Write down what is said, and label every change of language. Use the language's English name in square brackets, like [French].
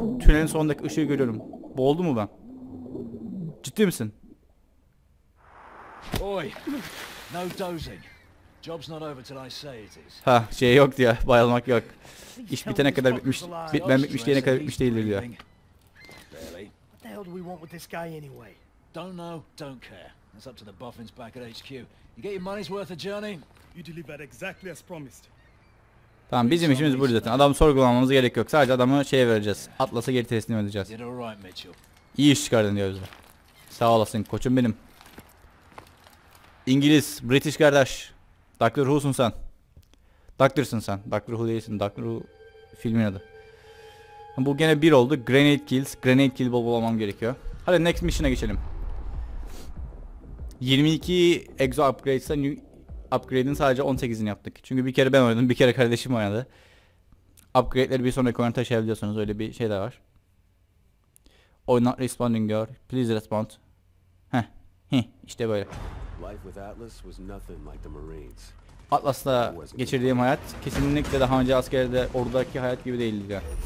[Turkish] Tünelin sonundaki ışığı görüyorum. Boğuldu mu ben? Ciddi misin? [English] Oy. No dozing. Job's not over till I say it is. [Turkish] Ha, şey yok diyor. Bayılmak yok. İş bitene kadar bitmiş. Bitmem bitmiş diyene kadar bitmiş değildir diyor. [English] What the hell do we want with this guy anyway? Don't know, don't care. It's up to the boffins back at HQ. You get your money's worth a journey. You delivered exactly as promised. [Turkish] Tamam, bizim işimiz bu zaten. Adamı sorgulamamıza gerek yok. Sadece adamı şeye vereceğiz. Atlas'a geri teslim edeceğiz. İyi iş çıkardın diyor bize. Sağ olasın koçum benim. İngiliz, British kardeş. Doctor Who'sun sen. Doctor'sın sen. Doctor Who değilsin. Doctor Who filmin adı. Bu gene bir oldu. Grenade Kills. Grenade Kill bulamam gerekiyor. Hadi [English] next mission'a [Turkish] geçelim. 22 exo upgrade'sa new upgrade'in sadece 18'ini yaptık. Çünkü bir kere ben oynadım. Bir kere kardeşim oynadı. Upgrade'leri bir sonraki oyuna taşıyabiliyorsunuz. Öyle bir şey de var. [English] Oh, not responding [Turkish] diyor. [English] Please respond. Heh. [Turkish] İşte böyle. [English] Life with Atlas was nothing like the Marines. [Turkish] Atlas'la geçirdiğim hayat kesinlikle daha önce askerde ordudaki hayat gibi değildi ya.